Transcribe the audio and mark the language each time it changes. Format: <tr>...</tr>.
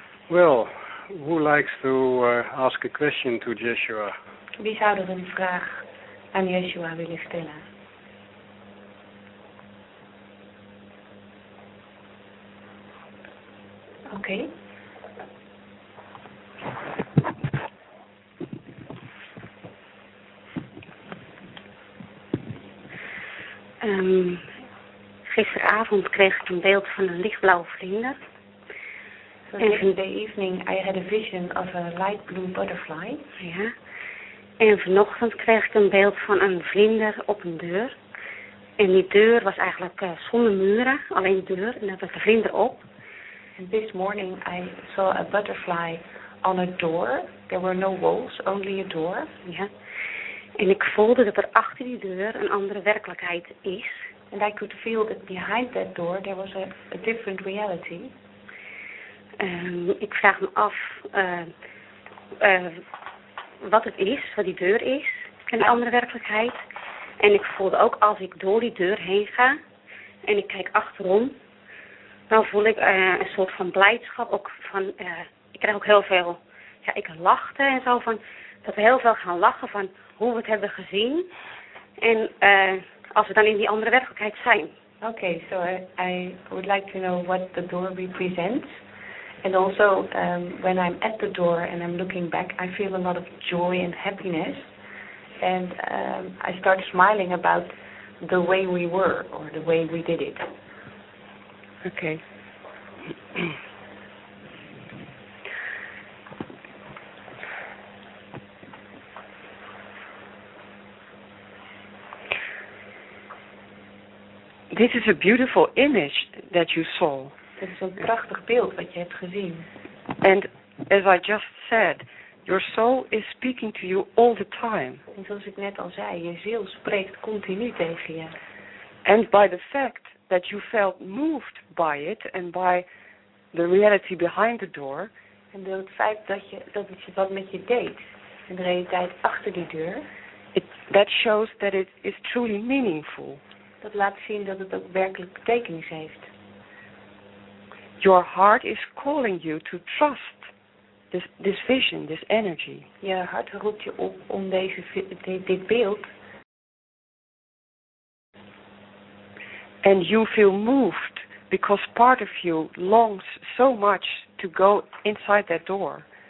<en>Well, who likes to ask a question to Yeshua?</en> <nl>Wie zou er een vraag aan Yeshua willen stellen?</nl> <en>Okay.</en> <nl>Gisteravond kreeg ik een beeld van een lichtblauwe vlinder. En</nl> <en>in the evening I had a vision of a light blue butterfly.</en> <nl>Ja. En vanochtend kreeg ik een beeld van een vlinder op een deur. En die deur was eigenlijk zonder muren, alleen de deur, en daar was de vlinder op.</nl> <en>And this morning I saw a butterfly on a door. There were no walls, only a door.</en> <nl>Ja. En ik voelde dat er achter die deur een andere werkelijkheid is.</nl> <en>And I could feel that behind that door there was a different reality.</en> <nl>Ik vraag me af wat het is, wat die deur is, en de andere werkelijkheid. En ik voelde ook als ik door die deur heen ga en ik kijk achterom, dan voel ik een soort van blijdschap. Ook van, ik krijg ook heel veel, ja, ik lachte en zo, van dat we heel veel gaan lachen van hoe we het hebben gezien. En als we dan in die andere werkelijkheid zijn.</nl> <en>Oké, so I would like to know what the door represents. And also, when I'm at the door and I'm looking back, I feel a lot of joy and happiness. And I start smiling about the way we were, or the way we did it. Okay. This is a beautiful image that you saw.</en> <nl>Het is een prachtig beeld wat je hebt gezien.</nl> <en>And as I just said, your soul is speaking to you all the time.</en> <nl>En zoals ik net al zei, je ziel spreekt continu tegen je.</nl> <en>And by the fact that you felt moved by it and by the reality behind the door.</en> <nl>En door het feit dat het wat met je deed en de realiteit achter die deur.</nl> <en>That shows that it is truly meaningful.</en> <nl>Dat laat zien dat het ook werkelijk betekenis heeft.</nl> <en>Your heart is calling you to trust this vision, this energy.</en> <nl>Je hart roept je op om dit beeld.</nl> <en>And you feel moved because part of you longs so much to go inside that door.</en>